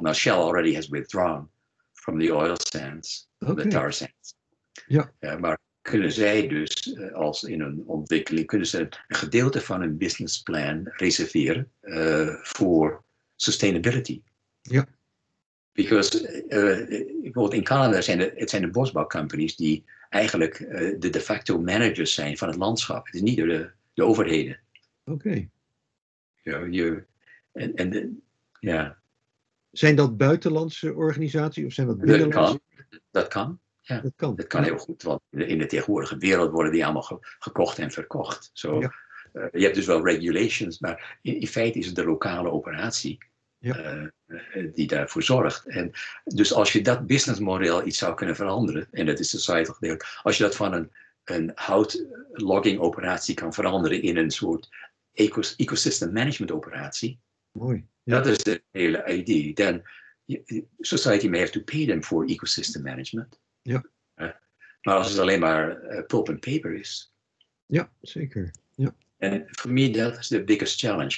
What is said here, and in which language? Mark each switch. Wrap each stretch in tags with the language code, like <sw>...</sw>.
<en>Nou, Shell already has withdrawn from the oil sands, okay. The tar sands.</en> <nl>Ja. Maar kunnen zij dus, als in een ontwikkeling, kunnen ze een gedeelte van hun business plan reserveren voor sustainability? Ja. Because bijvoorbeeld in Canada zijn de bosbouwcompanies die eigenlijk de de facto managers zijn van het landschap. Het is niet door de overheden. Oké. Okay. Ja. Zijn dat buitenlandse organisaties of zijn dat binnenlandse? Dat kan. Ja. Dat kan heel goed, want in de tegenwoordige wereld worden die allemaal gekocht en verkocht. So, ja. Je hebt dus wel regulations, maar in feite is het de lokale operatie. Ja. Die daarvoor zorgt. En dus als je dat businessmodel iets zou kunnen veranderen, en dat is de site gedeeld, als je dat van een houtlogging operatie kan veranderen in een soort ecosystem management operatie. Mooi. Dat is de hele idee.</nl> <en>Then society may have to pay them for ecosystem management.</en> <nl>Ja. Maar als het alleen maar pulp and paper is. Ja, zeker. Ja.</nl> <en>En for me, that is the biggest challenge.</en>